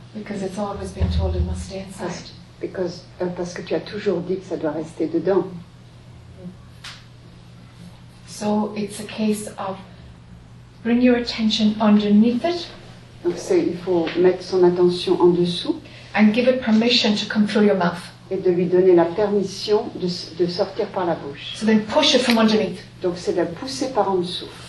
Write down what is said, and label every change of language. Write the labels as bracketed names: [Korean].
[English] Because it's always been told it must stay inside. [French] Parce que tu as toujours dit que ça doit rester dedans. [English] So it's a case of bring your attention underneath it. [French] Donc il faut mettre son attention en dessous. [English] And give it permission to come through your mouth. [French] Et de lui donner la permission de sortir par la bouche. [English] So then push it from underneath. [French] Donc c'est de la pousser par en dessous.